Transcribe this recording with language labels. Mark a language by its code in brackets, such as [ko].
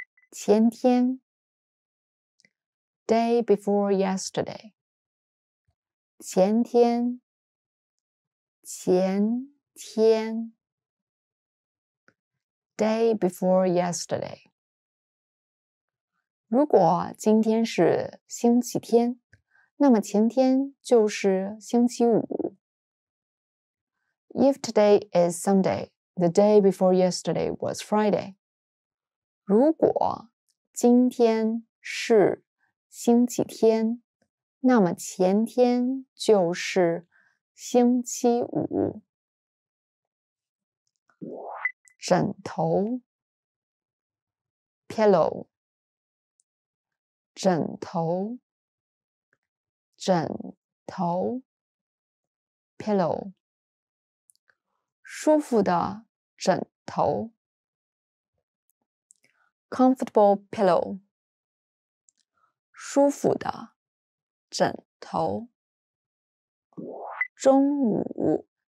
[zh] 前天 [en] day before yesterday. [zh] 前天前天 [en] day before yesterday. [zh] 如果今天是星期天，那么前天就是星期五。 [en] If today is Sunday, the day before yesterday was Friday. [zh] 如果今天是星期天，那么前天就是星期五。枕头 [en] Pillow [zh] 枕头枕头 Pillow 舒服的枕头 [en] Comfortable pillow [zh] 舒服的枕头中午